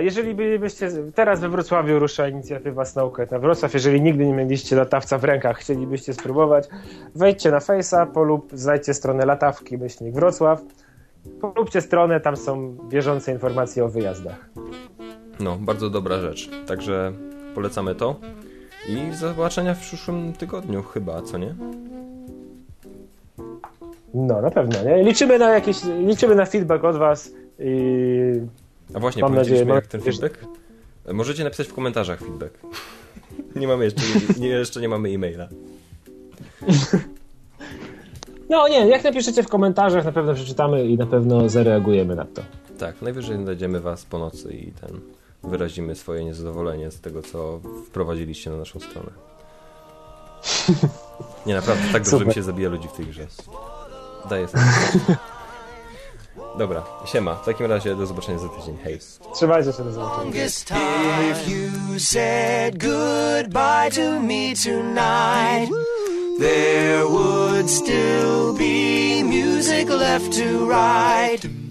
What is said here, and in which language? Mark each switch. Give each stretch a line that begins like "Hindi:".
Polish: Jeżeli bylibyście, teraz we Wrocławiu rusza inicjatywa Snowcat na Wrocław, jeżeli nigdy nie mieliście latawca w rękach, chcielibyście spróbować, wejdźcie na fejsa, polub, znajdźcie stronę Latawki, myślnik Wrocław, polubcie stronę, tam są bieżące informacje o wyjazdach. No, bardzo dobra rzecz. Także polecamy to i zobaczenia w przyszłym tygodniu chyba, co nie? No, na pewno, nie? Liczymy na feedback od was i... A właśnie, powiedzieliśmy jak ten feedback? Możecie napisać w komentarzach feedback. Nie mamy jeszcze nie mamy e-maila. No nie, jak napiszecie w komentarzach, na pewno przeczytamy i na pewno zareagujemy na to. Tak, najwyżej znajdziemy was po nocy i ten wyrazimy swoje niezadowolenie z tego, co wprowadziliście na naszą stronę. Nie, naprawdę, tak dobrze mi się zabija ludzi w tej grze. Daję sobie. Dobra, siema. W takim razie do zobaczenia za tydzień. Hej. Trzymajcie się, do zobaczenia.
English: If you said goodbye to me tonight, there would still be music left to write.